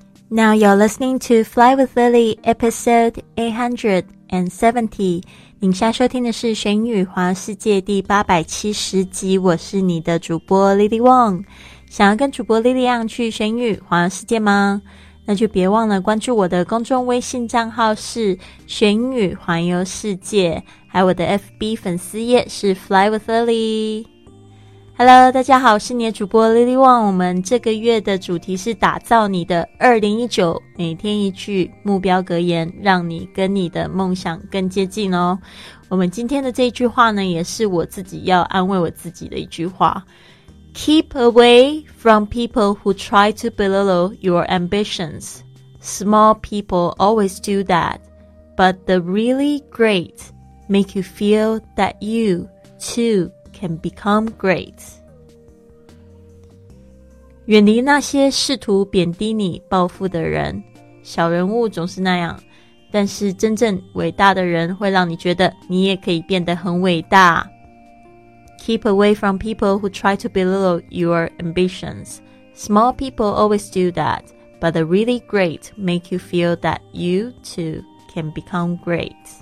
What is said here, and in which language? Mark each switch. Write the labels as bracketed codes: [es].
[en] Now you're listening to Fly with Lily, episode 870. [zh] 您现在收听的是《玄语华世界》第870集，我是你的主播 Lily Wong。想要跟主播 Lily Wong 去玄语华世界吗？那就别忘了关注我的公众微信账号是《玄语环游世界》，还有我的 FB 粉丝页是 Fly with Lily。 [en] Hello， [zh] 大家好，我是你的主播 Lily Wong。我们这个月的主题是打造你的2019，每天一句目标格言，让你跟你的梦想更接近哦。我们今天的这一句话呢，也是我自己要安慰我自己的一句话 ： [en] Keep away from people who try to belittle your ambitions. Small people always do that, but the really great make you feel that you too. Can become great. [zh] 远离那些试图贬低你、报复的人。小人物总是那样，但是真正伟大的人会让你觉得你也可以变得很伟大。 [en] Keep away from people who try to belittle your ambitions. Small people always do that, but the really great make you feel that you too can become great.